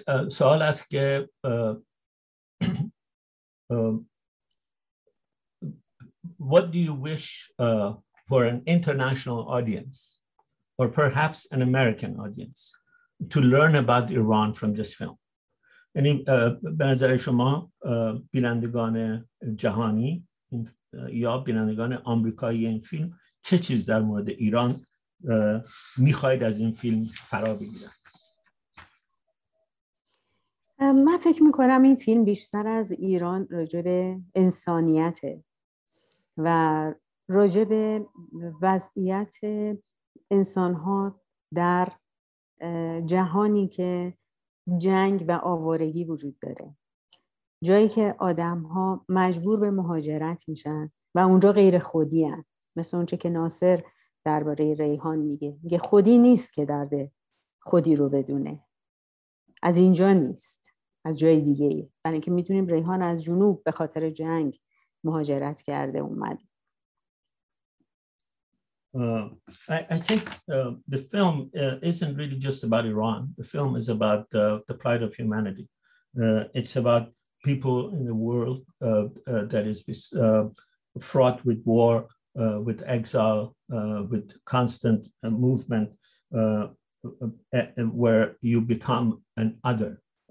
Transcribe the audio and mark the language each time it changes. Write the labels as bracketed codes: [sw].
[fa] سوال است که [en] what do you wish for an international audience or perhaps an American audience to learn about Iran from this film? [fa] یعنی به نظر شما بینندگان جهانی یا بینندگان آمریکایی این فیلم چه چیز در مورد ایران میخواهید از این فیلم فرا بگیرید؟ من فکر میکنم این فیلم بیشتر از ایران راجع به انسانیته و راجع به وضعیت انسانها در جهانی که جنگ و آوارگی وجود داره، جایی که آدمها مجبور به مهاجرت میشن و اونجا غیر خودی هست، مثل اونچه که ناصر درباره ریحان میگه، میگه خودی نیست که درد خودی رو بدونه، از اینجا نیست، از جای دیگه ای. برای اینکه میتونیم ریحان از جنوب به خاطر جنگ مهاجرت کرده اومد. [en] I think the film isn't really just about Iran. The film is about the plight of humanity. It's about people in the world that is fraught with war, with exile, with constant movement, where you become an other.